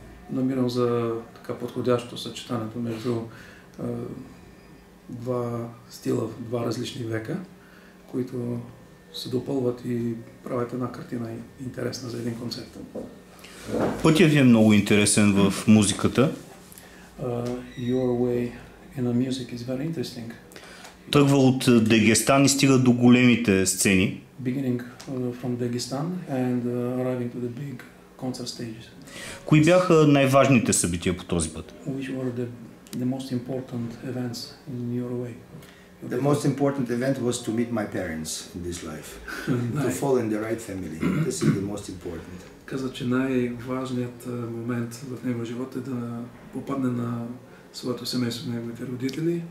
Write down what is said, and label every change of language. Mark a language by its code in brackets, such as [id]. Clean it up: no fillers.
[bg] Намирам за така подходящо съчетанието между два стила, два различни века, които се допълват и правят една картина интересна за един концерт. Пътят ви е много интересен в музиката. [en] Your way in the music is very interesting. [bg] Тръгва от Дагестан и стига до големите сцени. [en] Beginning from Dagestan and arriving to the big concert stages. [bg] Кои бяха най-важните събития по този път? [en] Which were the most important events in your way? The most important event was to meet my parents in this life. To fall in the right family. This is the most important. [bg] Каза, че най-важният момент в него живот е да попадне на своето семейство, на неговите родители.